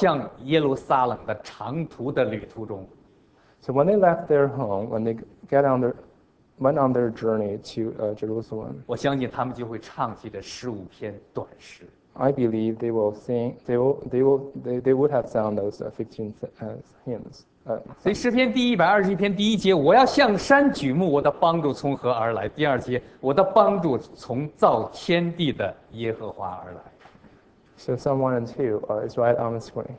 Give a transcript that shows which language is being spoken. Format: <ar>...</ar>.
<zh>当他们离开家的时候，在那朝向耶路撒冷的长途的旅途中。</zh> <en>So when they left their home, when they went on their journey to Jerusalem,</en> <zh>我相信他们就会唱起这15篇短诗。</zh> <en>I believe they will sing. They would have sung those 15 hymns.</en> <zh>所以诗篇第121篇第1节，我要向山举目，我的帮助从何而来？第2节，我的帮助从造天地的耶和华而来。</zh> <en>So someone and two is right on the screen.</en>